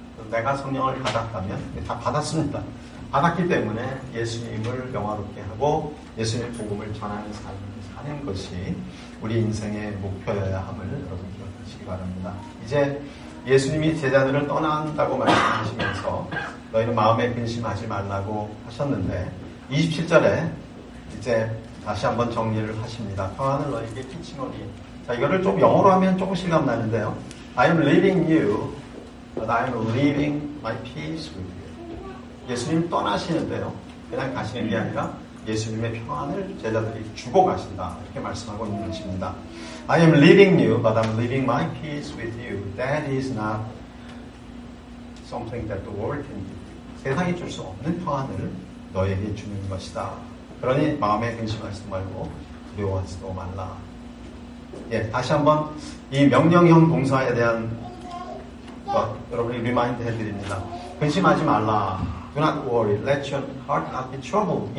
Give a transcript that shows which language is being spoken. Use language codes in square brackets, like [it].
[ko] 내가 성령을 받았다면 다 받았습니다. 받았기 때문에 예수님을 영화롭게 하고 예수님의 복음을 전하는 삶을 사는 것이 우리 인생의 목표여야 함을 여러분 기억하시기 바랍니다. 이제 예수님이 제자들을 떠난다고 말씀하시면서 너희는 마음에 근심하지 말라고 하셨는데 27절에 이제 다시 한번 정리를 하십니다. 평안을 너희에게 끼치노니. 자, 이거를 좀 영어로 하면 조금 실감나는데요. [en] I am leaving you, but I am leaving my peace with you. [ko] 예수님 떠나시는데요. 그냥 가시는 게 아니라 예수님의 평안을 제자들이 주고 가신다. 이렇게 말씀하고 있는 것입니다. [en] I am leaving you, but I'm leaving my peace with you. That is not something that the world can give you. [ko] 세상이 줄 수 없는 평안을 너에게 주는 것이다. 그러니 마음에 근심하지도 말고 두려워하지도 말라. 예, 다시 한번 이 명령형 동사에 대한 것 여러분이 리마인드 해드립니다. 근심하지 말라. [en] Do not worry. Let your heart not be troubled.